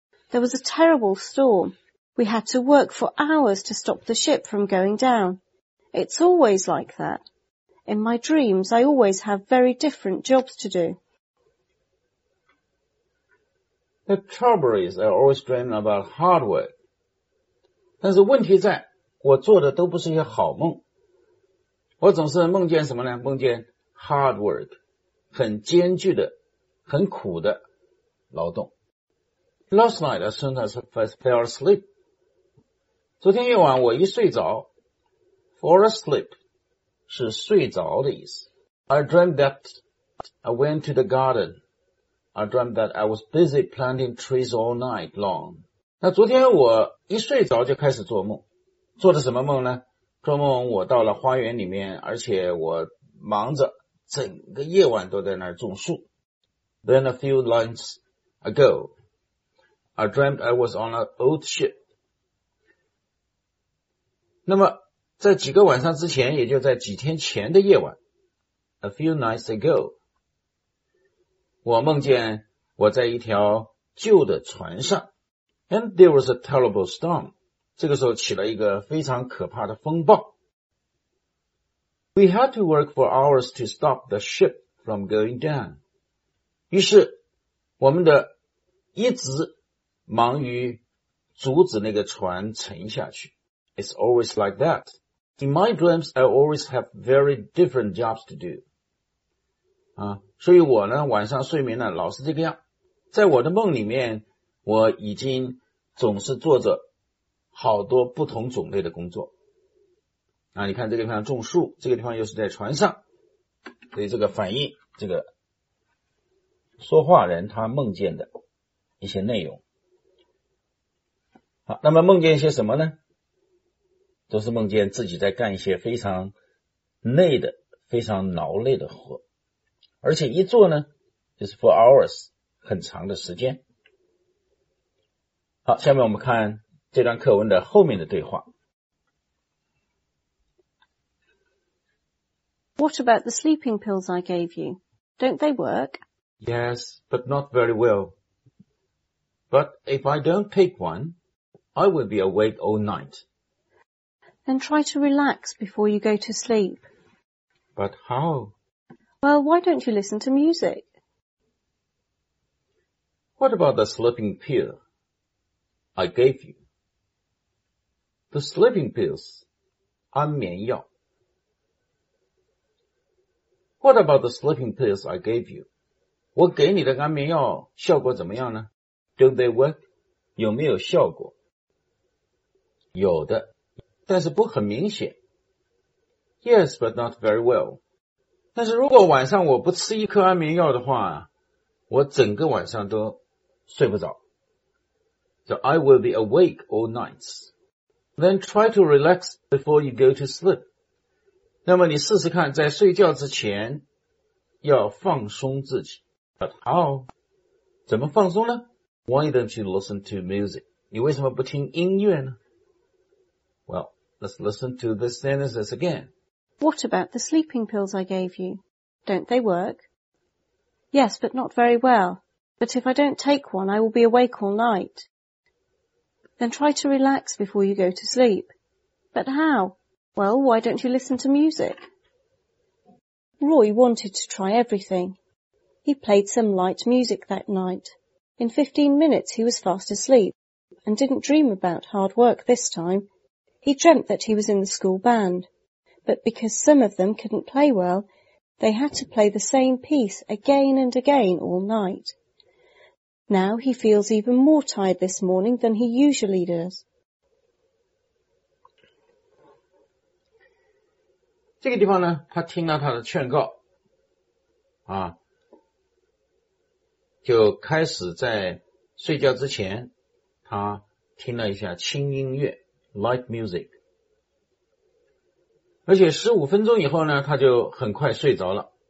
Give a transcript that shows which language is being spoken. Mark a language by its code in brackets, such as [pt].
[en] There was a terrible storm. We had to work for hours to stop the ship from going down. It's always like that. In my dreams, I always have very different jobs to do. The trouble is, I always dream about hard work. [zh] 但是问题在，我做的都不是一些好梦。我总是梦见什么呢？梦见 hard work, 很艰巨的、很苦的劳动。 [en] Last night, as soon as I fell asleep, [zh] 昨天夜晚我一睡着 [en] ,fall asleep, [zh] 是睡着的意思。 [en] I dreamt that I went to the garden. I dreamt that I was busy planting trees all night long. [zh] 那昨天我一睡着就开始做梦。做的什么梦呢？做梦我到了花园里面，而且我忙着整个夜晚都在那儿种树。 [en] Then a few nights ago, I dreamt I was on an old ship. [zh] 那么在几个晚上之前，也就在几天前的夜晚 , [en] a few nights ago, [zh] 我梦见我在一条旧的船上。 [en] And there was a terrible storm. [zh] 这个时候起了一个非常可怕的风暴。 [en] We had to work for hours to stop the ship from going down. [zh] 于是我们的一直忙于阻止那个船沉下去。 [en] It's always like that. In my dreams, I always have very different jobs to do. [zh] 啊，所以我呢，晚上睡眠呢，老是这个样。在我的梦里面，我已经总是做着好多不同种类的工作。啊，你看这个地方种树，这个地方又是在船上，所以这个反映这个说话人他梦见的一些内容。好，那么梦见一些什么呢？都是梦见自己在干一些非常累的、非常劳累的活，而且一做呢，就是 for hours 很长的时间。好，下面我们看这段课文的后面的对话。 [en] What about the sleeping pills I gave you? Don't they work? Yes, but not very well. But if I don't take one, I will be awake all night. Then try to relax before you go to sleep. But how? Well, why don't you listen to music? What about the sleeping pill I gave you? The sleeping pills, [zh] 安眠药。 [en] What about the sleeping pills I gave you? [zh] 我给你的安眠药效果怎么样呢？ [en] Don't they work? [zh] 有没有效果？有的，但是不很明显。 [en] Yes, but not very well. [zh] 但是如果晚上我不吃一颗安眠药的话，我整个晚上都睡不着。 [en] So I will be awake all nights. Then try to relax before you go to sleep. [zh] 那么你试试看在睡觉之前要放松自己。 [en] But how? [zh] 怎么放松呢？ [en] Why don't you listen to music? [zh] 你为什么不听音乐呢？ [en] Well, let's listen to the sentences again. What about the sleeping pills I gave you? Don't they work? Yes, but not very well. But if I don't take one, I will be awake all night. Then try to relax before you go to sleep. But how? Well, why don't you listen to music? Roy wanted to try everything. He played some light music that night. In 15 minutes he was fast asleep and didn't dream about hard work this time. He dreamt that he was in the school band, but because some of them couldn't play well, they had to play the same piece again and again all night. Now he feels even more tired this morning than he usually does. [zh] 这个地方呢，他听到他的劝告，啊，就开始在睡觉之前，他听了一下轻音乐 ，light music， 而且15分钟以后呢，他就很快睡着了。